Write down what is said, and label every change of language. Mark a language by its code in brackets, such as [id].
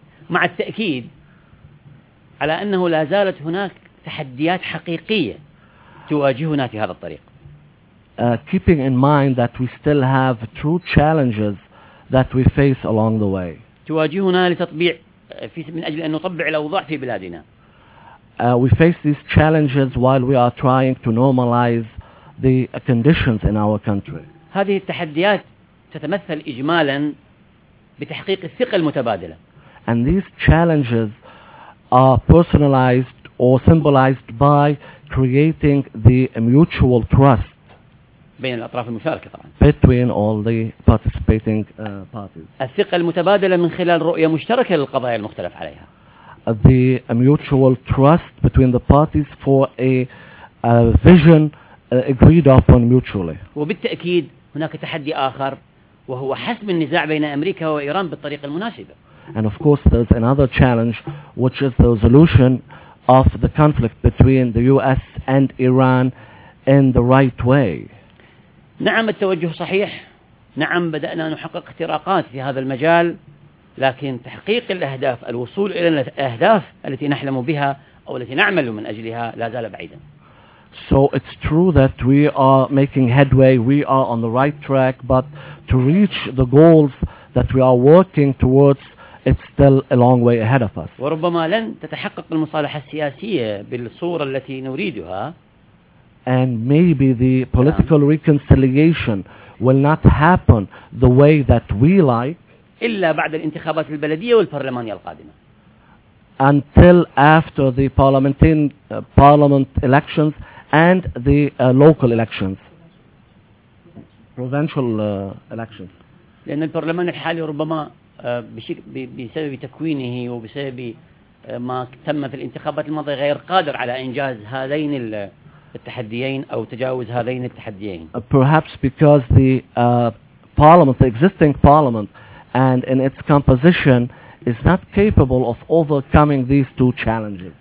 [ar] مع التأكيد على أنه لا زالت هناك تحديات حقيقية تواجهنا في هذا الطريق. [en] Keeping in mind that we still have true challenges that we face along the way. [ar] تواجهنا لتطبيع في من أجل أن نطبع الأوضاع في بلادنا. [en] We face these challenges while we are trying to normalize the conditions in our country. [ar] هذه التحديات تتمثل إجمالا بتحقيق الثقة المتبادلة. [en] And these challenges are personalized or symbolized by creating the mutual trust [ar] بين الأطراف المشاركة طبعا. [en] Between all the participating parties. [ar] الثقة المتبادلة من خلال رؤية مشتركة للقضايا المختلف عليها. [en] The mutual trust between the parties for a vision agreed upon mutually. [ar] وبالتأكيد هناك تحدي آخر وهو حسم النزاع بين أمريكا وإيران بالطريقة المناسبة. [en] And of course there's another challenge which is the resolution of the conflict between the US and Iran in the right way. [ar] نعم التوجه صحيح، نعم بدأنا نحقق اختراقات في هذا المجال، لكن تحقيق الأهداف، الوصول إلى الأهداف التي نحلم بها أو التي نعمل من أجلها لا زال بعيدا. [en] So it's true that we are making headway, we are on the right track, but to reach the goals that we are working towards, it's still a long way ahead of us. [ar] وربما لن تتحقق المصالحة السياسية بالصورة التي نريدها. [en] And maybe the political reconciliation will not happen the way that we like. [ar] إلا بعد الانتخابات البلدية والبرلمانية القادمة. [en] Until after the parliament elections and the local elections. Provincial elections. [ar] لأن البرلمان الحالي ربما بسبب تكوينه وبسبب ما تم في الانتخابات الماضية غير قادر على إنجاز هذين التحديين أو تجاوز هذين التحديين. [en] Perhaps because the parliament, the existing parliament, and in its composition is not capable of overcoming these two challenges.